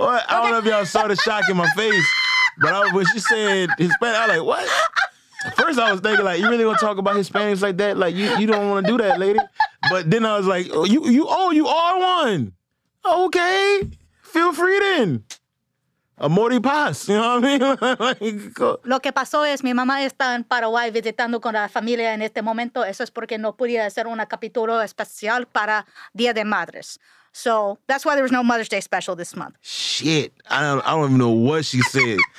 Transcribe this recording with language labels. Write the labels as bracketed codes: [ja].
[en] I don't know if y'all saw the shock in my face, but when she said Hispanic, I was like, what? First, I was thinking like, you really gonna talk about Hispanics like that? Like, you don't want to do that, lady. But then I was like, you are one. Okay. Feel free then. [es] Amori paz, [en] you know what I mean? [es] Lo que pasó es mi mamá está en Paraguay visitando con la familia en este momento. Eso es porque no podía hacer un capítulo especial para Día de Madres. [en] So that's why there was no Mother's Day special this month. Shit. I don't even know what she said.